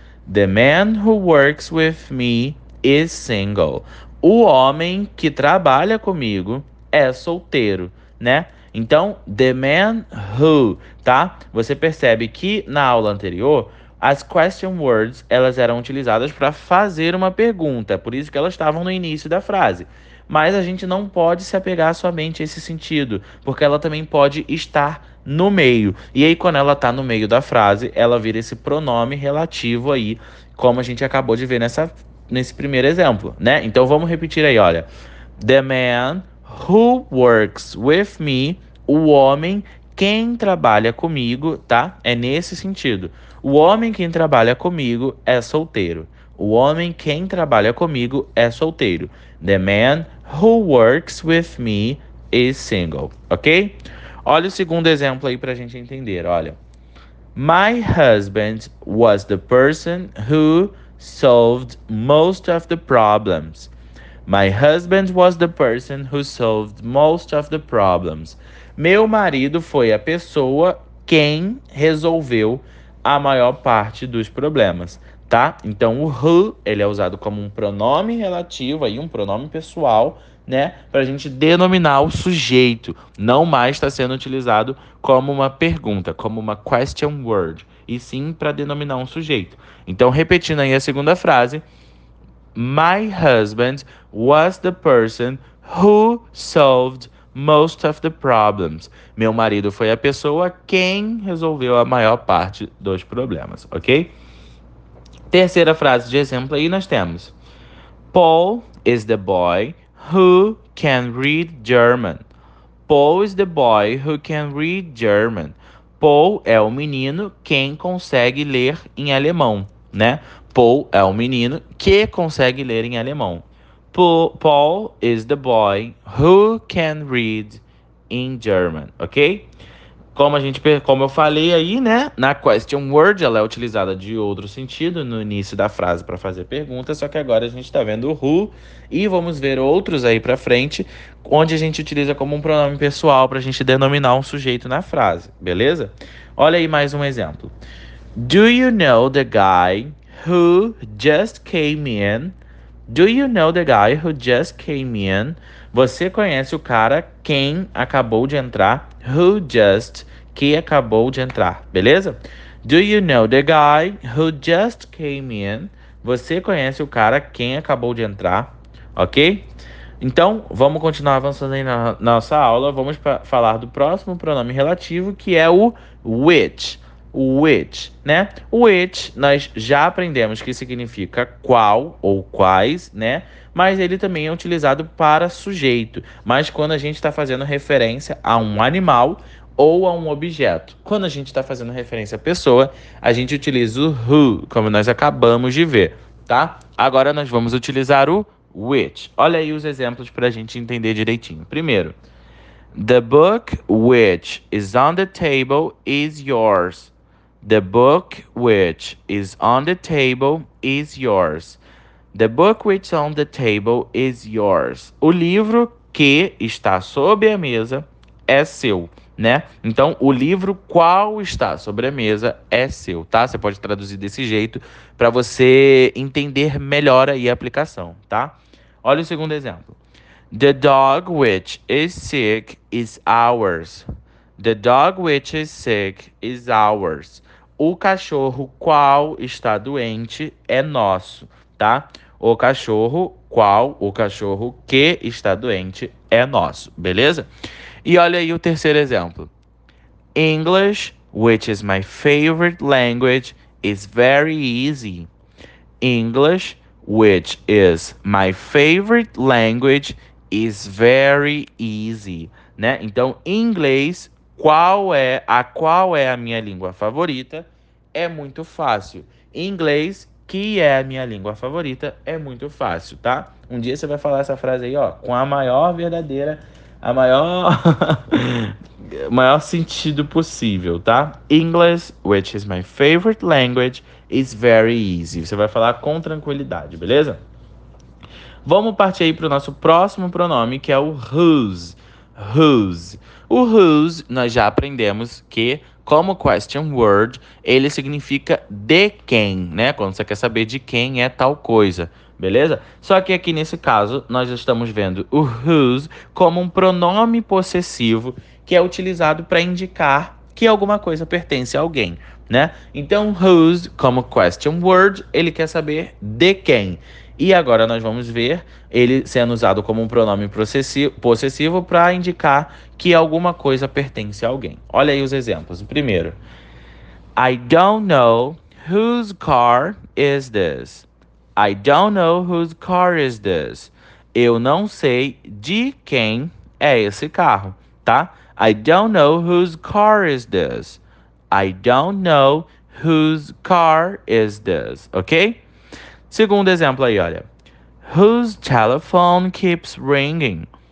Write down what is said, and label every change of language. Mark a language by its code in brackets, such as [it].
[en] The man who works with me is single. [pt] O homem que trabalha comigo é solteiro, né? Então, [en] the man who, [pt] tá? Você percebe que na aula anterior, as question words, elas eram utilizadas para fazer uma pergunta, por isso que elas estavam no início da frase. Mas a gente não pode se apegar somente a esse sentido, porque ela também pode estar no meio. E aí, quando ela está no meio da frase, ela vira esse pronome relativo aí, como a gente acabou de ver nesse primeiro exemplo, né? Então vamos repetir aí, olha. [en] The man who works with me, [pt] o homem quem trabalha comigo, tá? É nesse sentido. O homem quem trabalha comigo é solteiro. O homem quem trabalha comigo é solteiro. [en] The man who works with me is single, ok? [pt] Olha o segundo exemplo aí pra gente entender, olha. [en] My husband was the person who solved most of the problems. My husband was the person who solved most of the problems. [pt] Meu marido foi a pessoa quem resolveu a maior parte dos problemas, tá? Então o who, ele é usado como um pronome relativo aí, um pronome pessoal, né? Pra gente denominar o sujeito. Não mais está sendo utilizado como uma pergunta, como uma question word. E sim para denominar um sujeito. Então, repetindo aí a segunda frase: [en] My husband was the person who solved most of the problems. [pt] Meu marido foi a pessoa quem resolveu a maior parte dos problemas, ok? Terceira frase de exemplo aí nós temos: [en] Paul is the boy who can read German. Paul is the boy who can read German. [pt] Paul é o menino quem consegue ler em alemão, né? Paul é o menino que consegue ler em alemão. [en] Paul is the boy who can read in German, ok? [pt] Como eu falei aí, né? Na question word, ela é utilizada de outro sentido no início da frase para fazer pergunta, só que agora a gente está vendo o who e vamos ver outros aí para frente, onde a gente utiliza como um pronome pessoal para a gente denominar um sujeito na frase, beleza? Olha aí mais um exemplo. [en] Do you know the guy who just came in? Do you know the guy who just came in? [pt] Você conhece o cara quem acabou de entrar? [en] Who just [pt] que acabou de entrar, beleza? [en] Do you know the guy who just came in? [pt] Você conhece o cara quem acabou de entrar, ok? Então, vamos continuar avançando aí na nossa aula. Vamos falar do próximo pronome relativo, que é o which. Which, né? Which nós já aprendemos que significa qual ou quais, né? Mas ele também é utilizado para sujeito, mas quando a gente está fazendo referência a um animal ou a um objeto. Quando a gente está fazendo referência à pessoa, a gente utiliza o who, como nós acabamos de ver, tá? Agora nós vamos utilizar o which. Olha aí os exemplos para a gente entender direitinho. [en] Primeiro, the book which is on the table is yours. The book which is on the table is yours. The book which is on the table is yours. [pt] O livro que está sob a mesa é seu, né? Então, o livro qual está sobre a mesa é seu, tá? Você pode traduzir desse jeito para você entender melhor aí a aplicação, tá? Olha o segundo exemplo. [en] The dog which is sick is ours. The dog which is sick is ours. [pt] O cachorro qual está doente é nosso, tá? O cachorro qual, o cachorro que está doente é nosso, beleza? E olha aí o terceiro exemplo. [en] English, which is my favorite language, is very easy. English, which is my favorite language, is very easy, né? [pt] Então, inglês, qual é a minha língua favorita? É muito fácil. Inglês, que é a minha língua favorita, é muito fácil, tá? Um dia você vai falar essa frase aí, ó, com a maior verdadeira, a maior maior sentido possível, tá? [en] English, which is my favorite language, is very easy. [pt] Você vai falar com tranquilidade, beleza? Vamos partir aí para o nosso próximo pronome, que é o whose. Whose. O whose, nós já aprendemos que, como question word, ele significa de quem, né? Quando você quer saber de quem é tal coisa, beleza? Só que aqui nesse caso, nós estamos vendo o whose como um pronome possessivo que é utilizado para indicar que alguma coisa pertence a alguém, né? Então, whose, como question word, ele quer saber de quem. E agora nós vamos ver ele sendo usado como um pronome possessivo para indicar que alguma coisa pertence a alguém. Olha aí os exemplos. [en] Primeiro, I don't know whose car is this. I don't know whose car is this. [pt] Eu não sei de quem é esse carro, tá? [en] I don't know whose car is this. I don't know whose car is this. Ok? [pt] Segundo exemplo aí, olha. [en] Whose telephone keeps ringing?